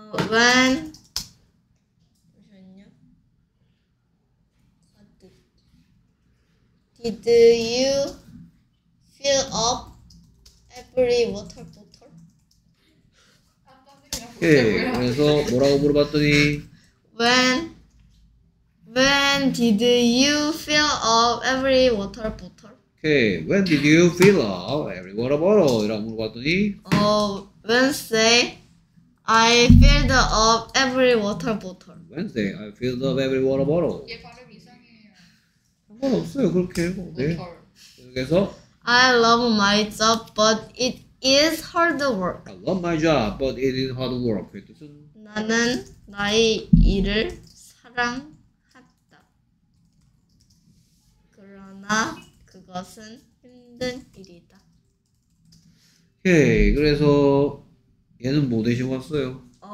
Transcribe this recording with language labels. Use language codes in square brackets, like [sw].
[ko] When 잠시만요. [en] Did you fill up every water bottle? [ko] 오케이. 그래서 뭐라고 물어봤더니 [en] When did you fill up every water bottle? Okay, when did you fill up every water bottle? [ko] 이라고 물어봤더니 [en] Wednesday, I filled up every water bottle. Wednesday, I filled up every water bottle. [ko] 얘 발음 이상해요. 상관없어요, 그렇게 해도 돼. 계속해서 [en] I love my job, but it is hard work. I love my job, but it is hard work. [ko] 나는 나의 일을 사랑한다. 그러나 그것은 힘든 일이다. 오케이. 그래서 얘는 뭐 대신 왔어요?